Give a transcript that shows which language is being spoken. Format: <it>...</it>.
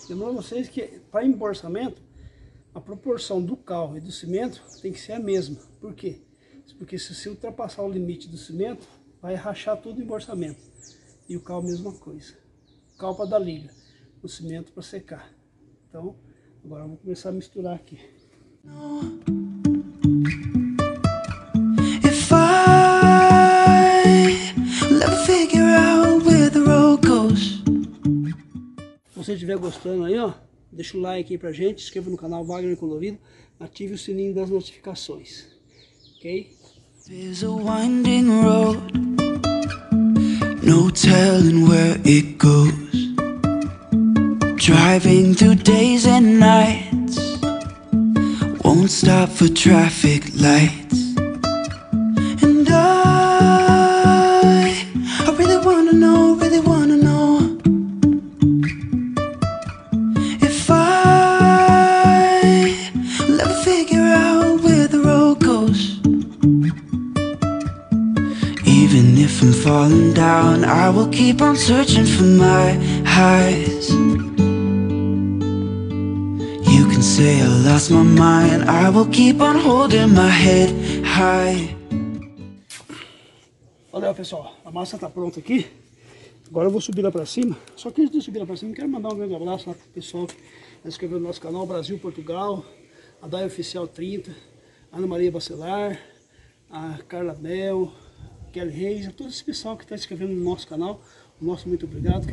<pt>Lembrar vocês que para emborsamento a proporção do cal e do cimento tem que ser a mesma. Por quê? Porque se você ultrapassar o limite do cimento, vai rachar todo o emborsamento. E o cal, mesma coisa. Cal para dar liga. O cimento para secar. Então, agora vamos começar a misturar aqui.</pt> <en>If I let figure out where the road goes.</en> <pt>Se você estiver gostando aí, ó, deixa o like aí pra gente. Inscreva no canal Wagner Colorido. Ative o sininho das notificações. Ok?</pt> <en>There's a winding road. No telling where it goes. Driving through days and nights. Won't stop for traffic lights. And I really wanna know, really wanna know. If I let figure out where the road goes. Even if I'm falling down, I will keep on searching for my highs. You can say I lost my mind, I will keep on holding my head high.</en> <pt>Valeu, pessoal, a massa tá pronta aqui. Agora eu vou subir lá pra cima. Só que antes de subir lá pra cima, quero mandar um grande abraço lá pro pessoal que se inscreveu no nosso canal, Brasil Portugal, a Dai Oficial 30, Ana Maria Bacelar, a Carla Bel, Kelly Reis, a todo esse pessoal que está se inscrevendo no nosso canal, o nosso muito obrigado.</pt>